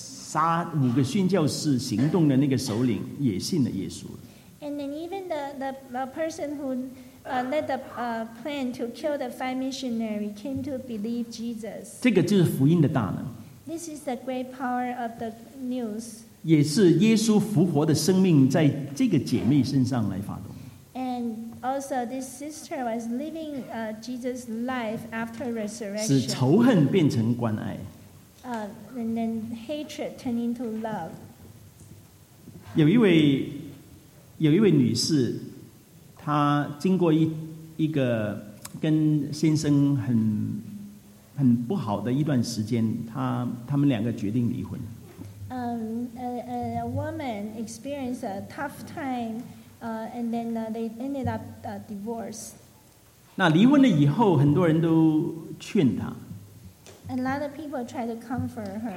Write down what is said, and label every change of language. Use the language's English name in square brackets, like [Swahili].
[Chinese] 杀五个殉教士行动的那个首领也信了耶稣。 [English] And then even the person who led the plan to kill the five missionaries came to believe Jesus. [Chinese] 这个就是福音的大能。 [English] This is the great power of the news. [Chinese] 也是耶稣复活的生命在这个姐妹身上来发动。 [English] And also this sister was living Jesus' life after resurrection. [Chinese] 使仇恨变成关爱。 [English] And then hatred turned into love. [Chinese] 有一位女士，她经过一个跟先生很不好的一段时间，他们两个决定离婚。 [English] A woman experienced a tough time, and then they ended up divorce. [Chinese] 那离婚了以后，很多人都劝她。 [English] A lot of people tried to comfort her.